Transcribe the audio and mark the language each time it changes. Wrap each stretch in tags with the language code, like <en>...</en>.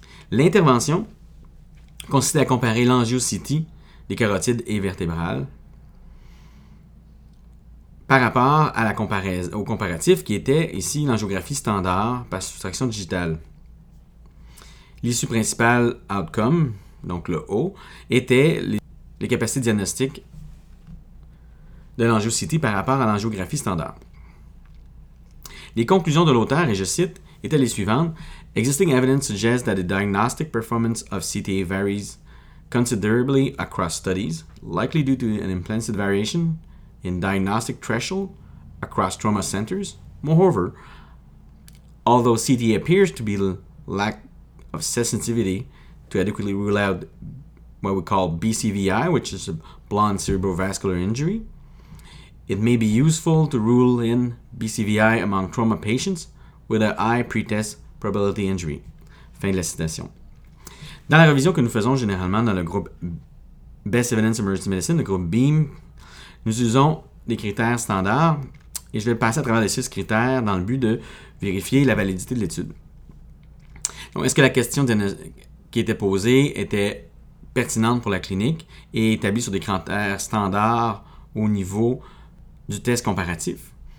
<fr>L'intervention consiste à comparer l'angio-CT des carotides et vertébrales par rapport à au comparatif qui était ici l'angiographie standard par soustraction digitale. L'issue principale outcome, donc le O, était les capacités diagnostiques de l'angio-CT par rapport à l'angiographie standard. Les conclusions de l'auteur, et je cite, étaient les suivantes.</fr> <en>Existing evidence suggests that the diagnostic performance of CTA varies considerably across studies, likely due to an implicit variation in diagnostic threshold across trauma centers. Moreover, although CTA appears to be lack of sensitivity to adequately rule out what we call BCVI, which is a blunt cerebrovascular injury, it may be useful to rule in BCVI among trauma patients with a high pretest probability injury.</en> <fr>Fin de la citation. Dans la révision que nous faisons généralement dans le groupe Best Evidence Emergency Medicine, le groupe BEAM, nous usons des critères standards et je vais passer à travers les 6 critères dans le but de vérifier la validité de l'étude. Donc, est-ce que la question qui était posée était pertinente pour la clinique et établie sur des critères standards au niveau du test comparatif?</fr>